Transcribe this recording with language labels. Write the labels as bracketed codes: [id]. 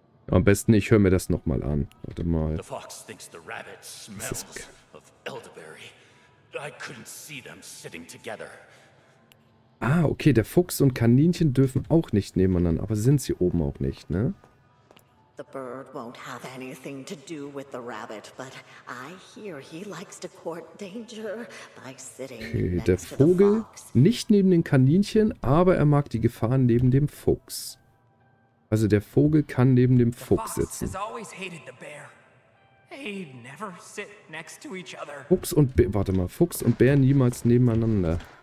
[de] Am besten, ich höre mir das nochmal an. Warte mal. [en] The fox thinks the rabbit smells of elderberry. I couldn't see them sitting together. [de] Ah, okay, der Fuchs und Kaninchen dürfen auch nicht nebeneinander, aber sind sie oben auch nicht, ne? [en] The bird won't have anything to do with the rabbit, but I hear he likes to court danger by sitting next to the fox. [de] Okay, der Vogel nicht neben den Kaninchen, aber er mag die Gefahr neben dem Fuchs. Also der Vogel kann neben dem Fuchs sitzen. [en] The fox has always hated the bear. They'd never sit next to each other. [de] Fuchs und Bär, warte mal, Fuchs und Bär niemals nebeneinander.